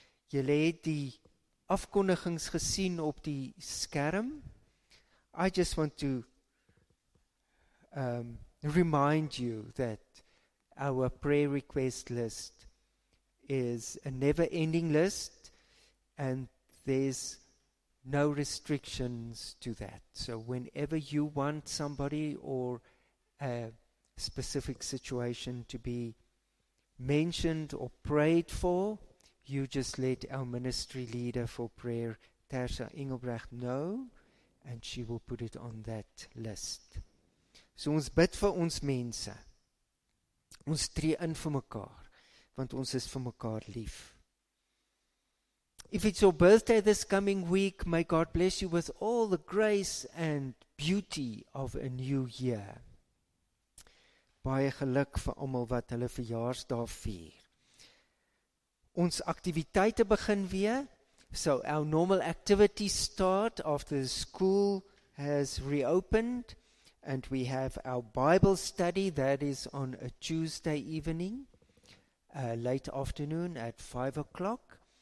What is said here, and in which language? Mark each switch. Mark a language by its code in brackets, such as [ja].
[af] Julle het die afkondigings gesien op die skerm. [en] I just want to remind you that our prayer request list is a never-ending list and there's no restrictions to that. So whenever you want somebody or a specific situation to be mentioned or prayed for, you just let our ministry leader for prayer, Tersa Engelbrecht, know, and she will put it on that list. [af] So ons bid vir ons mense. Ons tree in vir mekaar, want ons is vir mekaar lief. [en] If it's your birthday this coming week, may God bless you with all the grace and beauty of a new year. [af] Baie geluk vir almal wat hulle verjaarsdag vier. Ons aktiwiteite begin weer. [en] So our normal activities start after the school has reopened. And we have our Bible study that is on a Tuesday evening, late afternoon at 5 o'clock.